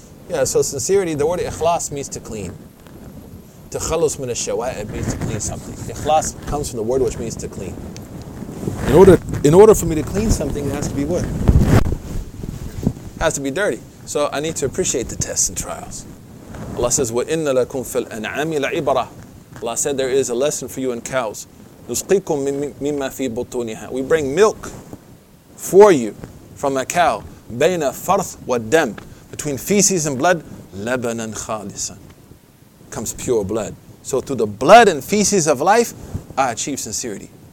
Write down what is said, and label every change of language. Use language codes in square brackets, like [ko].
[en] Yeah, so sincerity, the word ikhlas means to clean. [ar] To khalus min ash-shawa'ib [en] means to clean something. Ikhlas comes from the word which means to clean. In order for me to clean something, it has to be what? It has to be dirty. So I need to appreciate the tests and trials. Allah says, [ar] وَإِنَّ لَكُمْ فِي الْأَنْعَامِ لَعِبَرَةٍ. [en] Allah said, there is a lesson for you in cows. [ar] نُسْقِيكُمْ مِمَّا فِي بُطُونِهَا. [en] We bring milk for you from a cow. [ar] بَيْنَ فَرْثْ وَالدَّمْ. [en] Between feces and blood, [ar] لَبَنًا خَالِصًا. [en] Comes pure blood. So through the blood and feces of life, I achieve sincerity.